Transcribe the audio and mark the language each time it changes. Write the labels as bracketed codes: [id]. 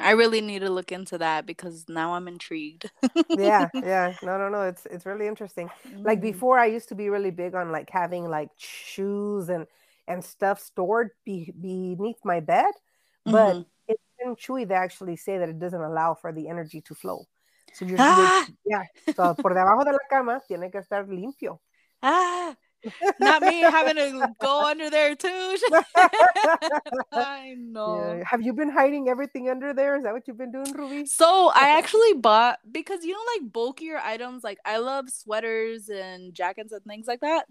[en] I really need to look into that because now I'm intrigued. No. It's really interesting. Like before, I used to be really big on like having like shoes and stuff stored beneath my bed, but in feng shui, they actually say that it doesn't allow for the energy to flow. So you're yeah. So [es] por debajo de la cama tiene que estar limpio. [en] Not me having to go under there too. I Yeah. know. Have you been hiding everything under there? Is that what you've been doing, Ruby? So I actually bought, because you know, like bulkier items, like I love sweaters and jackets and things like that.